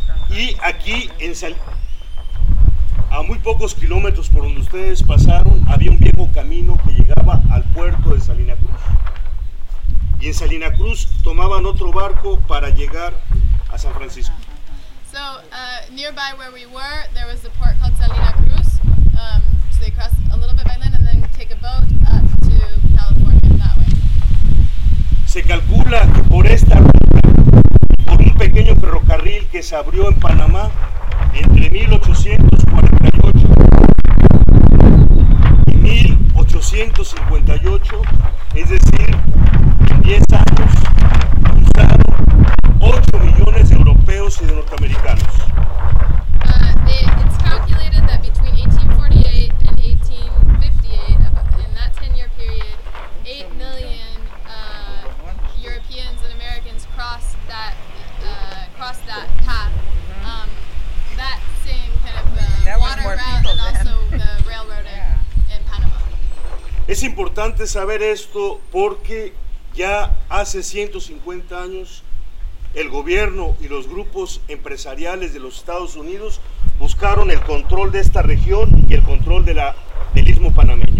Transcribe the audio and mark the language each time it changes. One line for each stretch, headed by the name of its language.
Spanish: Y aquí en a muy pocos kilómetros por donde ustedes pasaron, había un viejo camino que llegaba al puerto de Salina Cruz. y en Salina Cruz tomaban otro barco para llegar a San Francisco.
English: So, nearby where we were, there was a port called Salina Cruz. So they cross a little bit by land and then take a boat up to California that way.
Spanish: Se calcula que por esta ruta, por un pequeño ferrocarril que se abrió en Panamá entre 1848 y 1858, es decir, en 10 años, cruzaron 8 millones de europeos y de norteamericanos.
English: It's calculated that between 1848 and 1858, in that 10-year period, 8 million Europeans and Americans crossed that path. That same kind of water route and then. Also the railroad in Panama.
Spanish: Es importante saber esto porque ya hace 150 años el gobierno y los grupos empresariales de los Estados Unidos buscaron el control de esta región y el control de del istmo panameño.